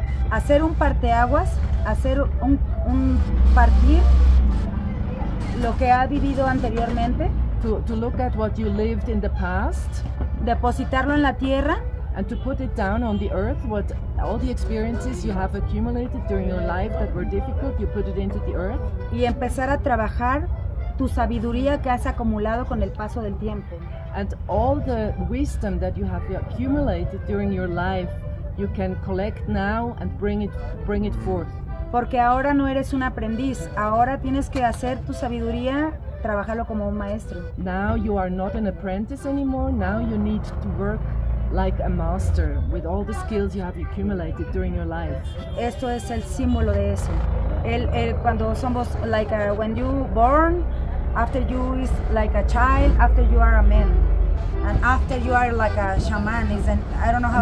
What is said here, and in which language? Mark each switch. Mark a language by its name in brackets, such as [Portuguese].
[Spanish] Hacer un parteaguas, hacer un partir lo que ha vivido anteriormente. [English] To look at what you lived in the past. [Spanish] Depositarlo en la tierra. [English] And to put it down on the earth, what all the experiences you have accumulated during your life that were difficult, you put it into the earth. [Spanish] Y empezar a trabajar tu sabiduría que has acumulado con el paso del tiempo. [English] And all the wisdom that you have accumulated during your life, you can collect now and bring it forth. [Spanish] Porque ahora no eres un aprendiz, ahora tienes que hacer tu sabiduría. Trabajarlo como un maestro. [English] Now you are not an apprentice anymore. Now you need to work like a master with all the skills you have accumulated during your life. [Spanish] Esto es el símbolo de eso. El cuando somos [English] like a, when you born, after you is like a child, after you are a man, and after you are like a shaman is an I don't know how